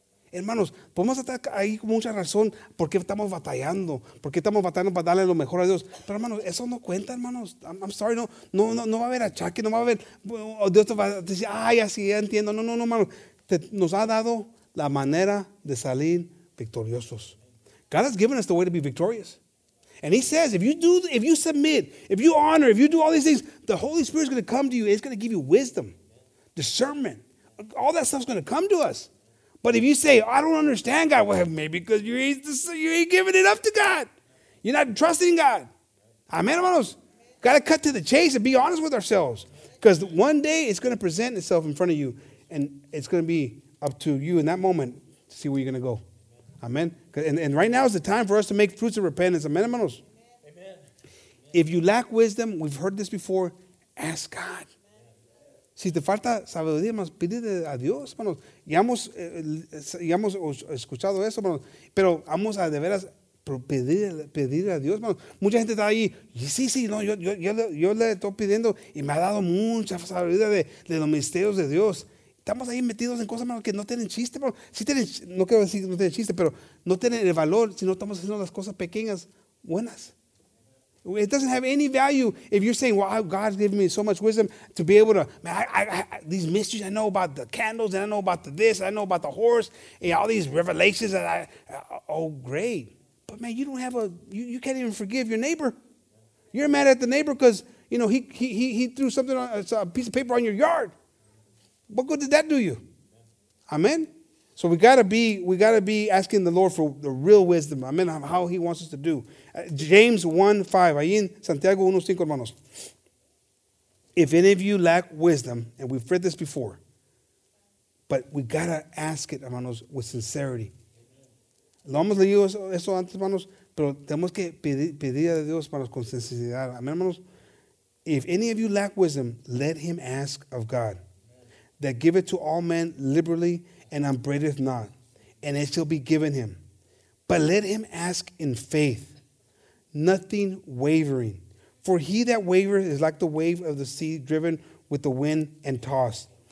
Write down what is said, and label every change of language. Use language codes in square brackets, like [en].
[es] Hermanos, podemos estar ahí con mucha razón por qué estamos batallando, por qué estamos batallando para darle lo mejor a Dios. Pero hermanos, eso no cuenta, hermanos. [en] I'm sorry, [es] no va a haber achaque, no va a haber, Dios te va a decir, ay, así ya entiendo. No, hermanos. Nos ha dado la manera de salir victoriosos. [en] God has given us the way to be victorious. And he says, if you submit, if you honor, if you do all these things, the Holy Spirit is going to come to you. It's going to give you wisdom, discernment. All that stuff's going to come to us. But if you say, I don't understand God, well, maybe because you ain't giving it up to God. You're not trusting God. Amen, hermanos. Got to cut to the chase and be honest with ourselves. Because one day it's going to present itself in front of you. And it's going to be up to you in that moment to see where you're going to go. Amen. And right now is the time for us to make fruits of repentance. Amen, hermanos. Amen. If you lack wisdom, we've heard this before, ask God. [es] Si te falta sabiduría, más pídele a Dios, hermanos. Ya hemos escuchado eso, hermanos. Pero vamos a de veras pedir a Dios, hermanos. Mucha gente está ahí, sí, no, yo le estoy pidiendo y me ha dado mucha sabiduría de los misterios de Dios. Estamos ahí metidos en cosas, hermanos, que no tienen chiste, hermanos. Sí tienen, no quiero decir que no tienen chiste, pero no tienen el valor si no estamos haciendo las cosas pequeñas buenas. [en] It doesn't have any value if you're saying, well, God's given me so much wisdom to be able to, man, these mysteries, I know about the candles, and I know about this, I know about the horse, and all these revelations that great. But, man, you don't have you can't even forgive your neighbor. You're mad at the neighbor because, you know, he threw something on, a piece of paper on your yard. What good did that do you? Amen. So we gotta be asking the Lord for the real wisdom. Amen. How he wants us to do. James 1:5. [es] Ahí en Santiago 1:5, hermanos. [en] If any of you lack wisdom, and we've read this before, but we gotta ask it, hermanos, with sincerity. [es] Lo hemos leído eso antes, hermanos, pero tenemos que pedir a Dios para con sinceridad. [en] Amen, hermanos. If any of you lack wisdom, let him ask of God. That giveth to all men liberally and upbraideth not, and it shall be given him. But let him ask in faith, nothing wavering. For he that wavereth is like the wave of the sea driven with the wind and tossed.